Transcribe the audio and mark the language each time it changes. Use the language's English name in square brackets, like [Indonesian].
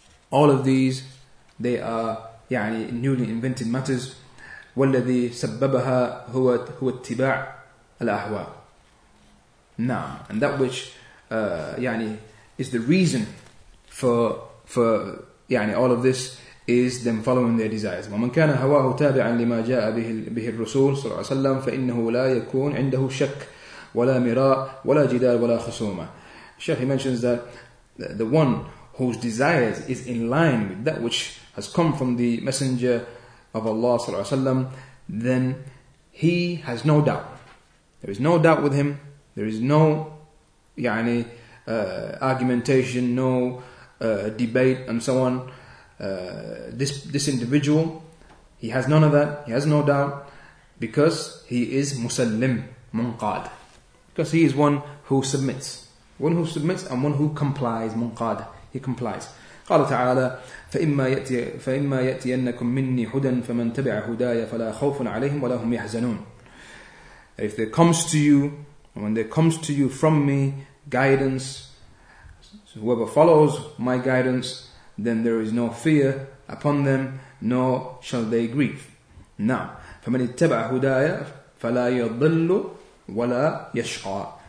[English] All of these, they are newly invented matters. [Arabic] والذي سببها هو اتباع الأهواء. [English] Now, and that which is the reason for all of this is them following their desires. [Arabic] ومن كان هواه تابعا لما جاء به الرسول صلى الله عليه وسلم فإنه لا يكون عنده شك ولا مراء ولا جدال ولا خصومة. [English] Sheikh, he mentions that the one whose desires is in line with that which has come from the messenger of Allah صلى الله عليه وسلم, then he has no doubt. There is no doubt with him. There is no argumentation, no debate and so on. This individual, he has none of that. He has no doubt because he is Musallim Munqad. Because he is one who submits. One who submits and one who complies. Munqad. He complies. [Arabic] قال تعالى فإما يأتينكم مني هدى فمن تبع هدايا فلا خوف عليهم ولا هم يحزنون. [English] If there comes to you, when there comes to you from me guidance, so whoever follows my guidance, then there is no fear upon them, nor shall they grieve. [Arabic] Now, فمن اتبع هدايا فلا يضل ولا يشقى.